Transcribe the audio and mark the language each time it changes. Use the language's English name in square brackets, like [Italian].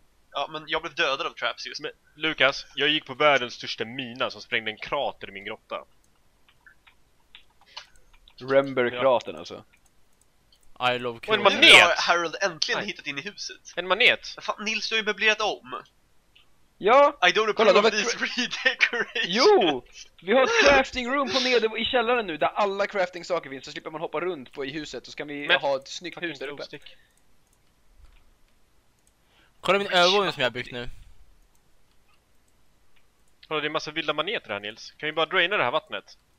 [Swedish] Ja, men jag blev dödad av traps just. Men, Lukas, jag gick på världens största mina som sprängde en krater i min grotta. Remberkraten alltså. [English] I love [Swedish] kraten. En manet! Har Harold äntligen hittat in i huset. En manet? Fan, Nils, du har ju möblerat om. Ja! [English] I don't approve of these redecorations. [Swedish] Jo! Vi har ett crafting room på nere i källaren nu, där alla crafting saker finns. Så slipper man hoppa runt på i huset, så kan vi ha ett snyggt hus där uppe. Kolla min ögon som jag har byggt nu. Kolla, det är en massa vilda maneter här, Nils. Kan vi bara draina det här vattnet?